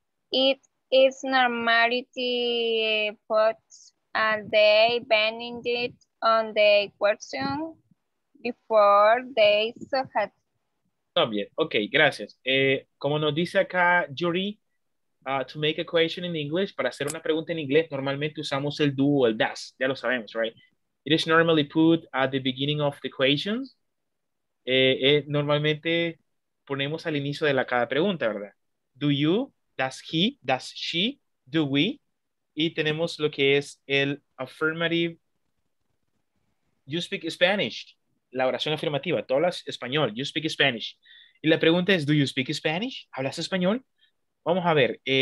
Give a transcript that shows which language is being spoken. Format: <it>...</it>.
<en>It is normality put and they bend it on the question before they suffer. Obvious. Okay, gracias.</en> <es>Como nos dice acá, Yuri,</es> <en>to make a question in English,</en> <es>para hacer una pregunta en inglés, normalmente usamos el do o el does. Ya lo sabemos, right?</es> <en>It is normally put at the beginning of the questions.</en> <es>Normalmente ponemos al inicio de la cada pregunta, ¿verdad?</es> <en>Do you, does he, does she, do we?</en> <es>Y tenemos lo que es el affirmative.</es> <en>You speak Spanish.</en> <es>La oración afirmativa. Tú hablas español. You speak Spanish. Y la pregunta es,</es> <en>do you speak Spanish?</en> <es>¿Hablas español? Vamos a ver.</es>